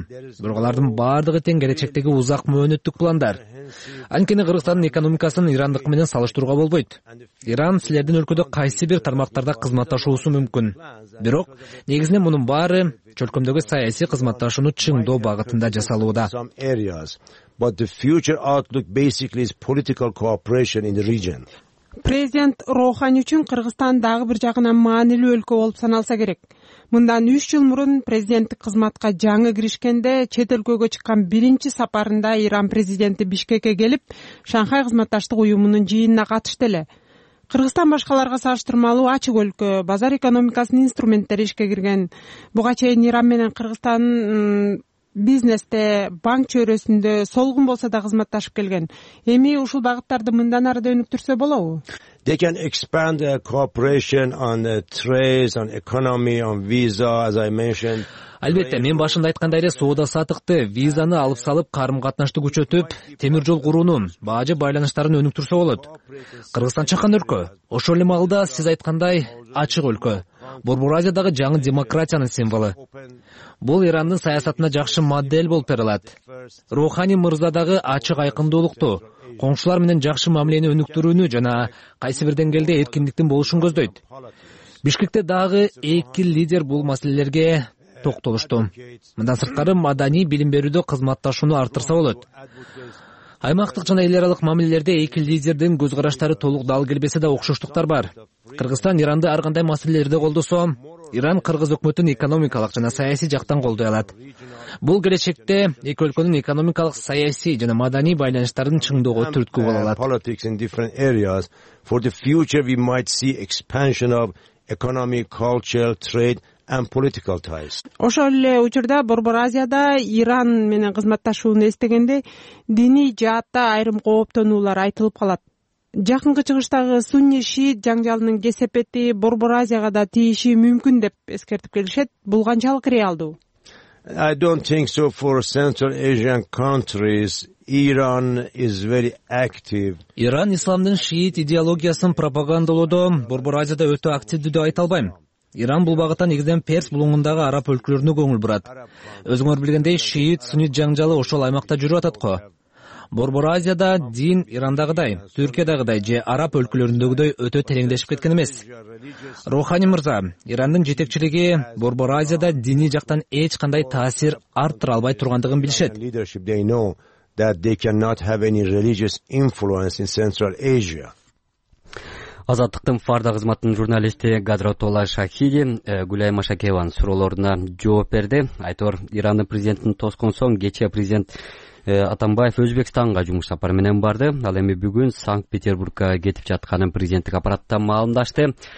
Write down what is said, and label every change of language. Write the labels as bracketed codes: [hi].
[ky] Бирок алардын баардыгы тең келечектеги узак мөөнөттүк пландар. Анткени Кыргызстандын экономикасын Ирандыкы менен салыштырууга болбойт. Иран силердин өлкөдө кайсы бир тармактарда кызматташуусу мүмкүн. Бирок негизинен мунун баары чөлкөмдөгү саясий кызматташууну чыңдоо багытында жасалууда. [en] But the future outlook basically is political cooperation in the region. [ky] Президент Рохани үчүн Кыргызстан дагы бир жагынан маанилүү өлкө болуп саналса керек. Мындан 3 жыл мурун президенттик кызматка жаңы киришкенде чет өлкөгө чыккан биринчи сапарында Иран президенти Бишкекке келип, Шанхай кызматташтык уюмунун жыйынына катышты эле. Кыргызстан башкаларга салыштырмалуу ачык өлкө, базар экономикасынын инструменттери ишке кирген. Буга чейин Иран менен Кыргызстан бизнесте, банк чөйрөсүндө солгун болсо да кызматташып келген. Эми ушул багыттарды мындан ары да өнүктүрсө болобу? [en] They can expand their cooperation on the trade, on economy, on visa, as I mentioned. [ky] Албетте, мен башында айткандай эле соода сатыкты, визаны алып салып, карым катнашты күчөтүп, темир жол курууну, бажы байланыштарын өнүктүрсө болот. Кыргызстан чакан өлкө. Ошол эле маалда сиз айткандай ачык өлкө. Борборазиядагы жаңы демократиянын символу. Бул Ирандын саясатына жакшы модель болуп берилет. Рухани мырзадагы ачык айкындуулукту, коңшулар менен жакшы мамилени өнүктүрүүнү жана кайсы бир деңгээлде эркиндиктин болушун көздөйт. Бишкекте дагы эки лидер бул маселелерге токтолушту. Мындан сырткары маданий билим берүүдө кызматташууну арттырса болот. Аймактык жана эл аралык мамилелерде эки лидердин көз караштары толук дал келбесе да окшоштуктар бар. Кыргызстан Иранды ар кандай маселелерде колдосо, Иран кыргыз өкмөтүн экономикалык жана саясий жактан колдой алат. Бул келечекте эки өлкөнүн экономикалык, саясий жана маданий байланыштарын чыңдоого түрткү боло алат. [en] Politics in different areas. For the future we might see expansion of economic, cultural, trade and political ties. [ky] Ошол эле учурда Борборазияда Иран менен кызматташууну эстегенде диний жаатта айрым кооптонуулар айтылып калат. Жакынкы чыгыштагы сунни шиит жаңжалынын кесепети Борборазияга да тийиши мүмкүн деп эскертип келишет. Бул канчалык реалдуу? [en] I don't think so. For Central Asian countries, Iran is very active. [ky] Иран исламдын шиит идеологиясын пропагандалоодо Борборазияда өтө активдүү деп айта албайм. Иран бул багытта негизинен Перс булуңундагы араб өлкөлөрүнө көңүл бурат. Өзүңөр билгендей, шиит сунит жаңжалы ошол аймакта жүрүп атат го. Борбор Азияда дин Ирандагыдай, Түркиядагыдай же араб өлкөлөрүндөгүдөй өтө тереңдешип кеткен эмес. Рухани мырза, Ирандын жетекчилиги Борбор Азияда диний жактан эч кандай таасир арттыра албай тургандыгын билишет. [en] That they cannot have any religious influence in Central Asia. [ky] Азаттыктын фарда кызматынын журналисти Гадратолла Шахиди Гүлай Машакеванын суроолоруна жооп берди. Айтор, Ирандын президентин тоскон соң кечээ президент Атамбаев Өзбекстанга жумуш сапары менен барды. Ал эми бүгүн Санкт-Петербургга кетип жатканын президенттик аппараттан маалымдашты.